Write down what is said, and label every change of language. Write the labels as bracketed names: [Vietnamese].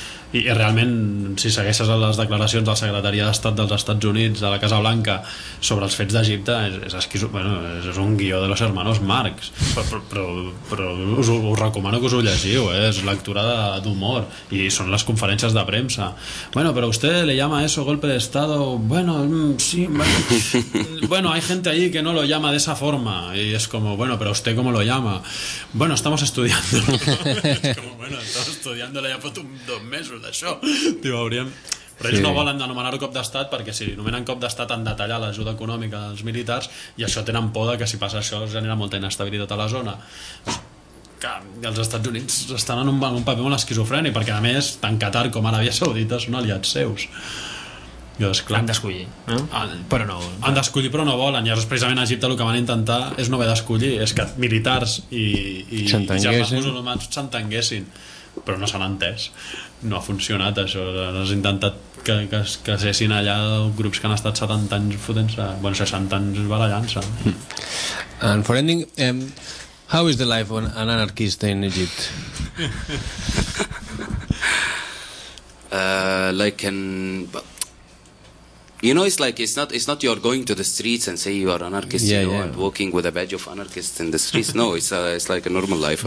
[Catalan] I realment, si segueixes les declaracions de la Secretaria d'Estat dels Estats Units, de la Casa Blanca, sobre els fets d'Egipte, és un guió de los hermanos Marx. Però us recomano que us ho llegiu, eh? És lectura d'humor, i són les conferències de premsa. [Spanish] Bueno, però usted le llama eso golpe de Estado. Bueno, sí, bueno, hay gente allí que no lo llama de esa forma. Y es como, bueno, pero usted cómo lo llama. Bueno, estamos estudiando. Es como, bueno, estamos estudiándolo ya por dos meses. [Catalan] D'això, hauríem... Però ells sí. No volen anomenar-ho cop d'estat, perquè si anomenen cop d'estat han de tallar l'ajuda econòmica als militars, i això tenen por de que si passa això es genera molta inestabilitat a la zona. Que els Estats Units estan en un paper molt esquizofrènic, perquè a més tant Qatar com Aràbia Saudita són aliats seus. Han d'escollir, no? Però no, han d'escollir però no volen. I llavors precisament a Egipte el que van intentar és no haver d'escollir, és que militars i germans musulmans s'entenguessin, però no s'han entès. No ha funcionat això, has intentat que es casessin allà grups que han estat 70 anys fotent-se, bueno, 60 anys barallant-se. [English] And for ending, how is the life of an anarchist in Egypt? You know, it's not you're going to the streets and say you are anarchist, yeah, you know, yeah. And walking with a badge of anarchist in the streets. No, it's like a normal life.